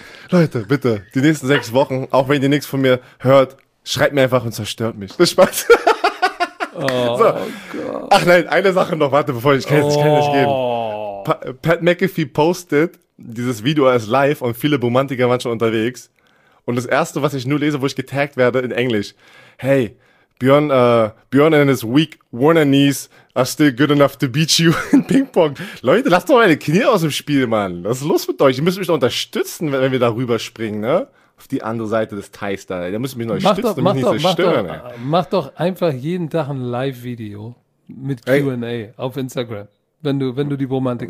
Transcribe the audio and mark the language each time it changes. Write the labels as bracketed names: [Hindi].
[German] Leute, bitte, die nächsten 6 Wochen, auch wenn ihr nichts von mir hört, schreibt mir einfach und zerstört mich. Das ist Spaß. Oh, so. Ach nein, eine Sache noch, warte, bevor ich kann nicht gehen. Pat McAfee postet, dieses Video ist live und viele Bromantiker waren schon unterwegs. Und das erste, was ich nur lese, wo ich getaggt werde in Englisch. [English] Hey, Björn and his weak Warner knees are still good enough to beat you in Ping Pong. [German] Leute, lasst doch meine Knie aus dem Spiel, Mann. Was ist los mit euch? Ihr müsst mich doch unterstützen, wenn wir da rüberspringen, ne? Auf die andere Seite des Teils da. Da müssen wir mich noch stützen, damit ich nicht zerstöre. Mach doch einfach jeden Tag ein Live-Video mit Q&A auf Instagram, wenn du die Bromantik